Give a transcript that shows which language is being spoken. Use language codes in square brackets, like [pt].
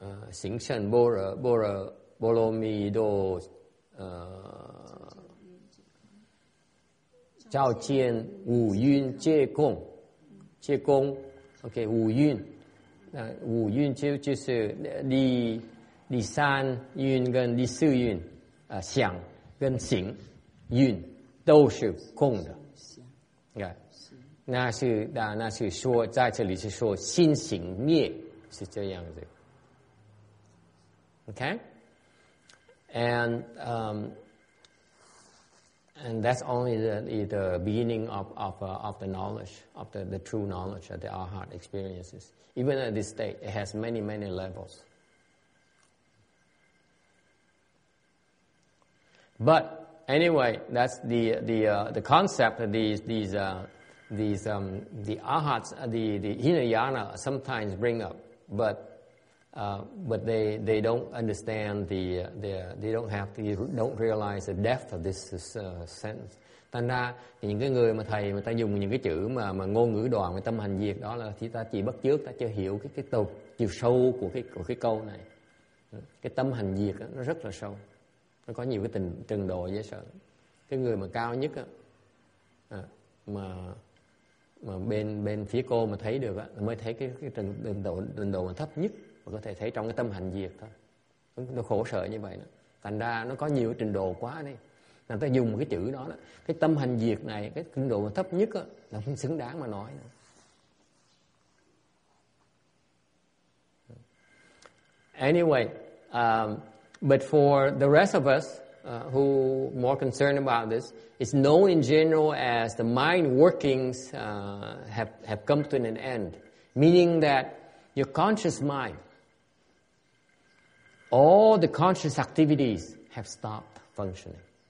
[zh] 行善般若般若波罗蜜多照见五蕴皆空，皆空 ，OK， 五蕴，五蕴就是第三蕴跟第四蕴，想跟行蕴都是空的，对，那是说在这里是说心行灭是这样子。 [en] Okay, and that's only the beginning of the knowledge of the true knowledge of the arhat experiences. Even at this state, it has many many levels. But anyway, that's the concept. The arhats, the hinayana sometimes bring up, but they don't understand they don't realize the depth of this sentence. [vi] Thành ra những cái người mà thầy mà ta dùng những cái chữ mà ngôn ngữ đoạn mà tâm hành diệt đó là thì ta chỉ bắt chước, ta chưa hiểu cái tục chiều sâu của cái câu này. Cái tâm hành diệt đó, nó rất là sâu, nó có nhiều cái trình độ dễ sợ. Cái người mà cao nhất đó, mà bên phía cô mà thấy được đó, mới thấy cái trình độ mà thấp nhất mà có thể thấy trong cái tâm hành diệt thôi. Nó khổ sở như vậy đó. Thành ra nó có nhiều trình độ quá đi. Là ta dùng một cái chữ đó, đó. Cái tâm hành diệt này, cái trình độ thấp nhất đó, là không xứng đáng mà nói nữa. [en] Anyway, but for the rest of us who are more concerned about this, it's known in general as the mind workings have come to an end, meaning that your conscious mind, all the conscious activities have stopped functioning.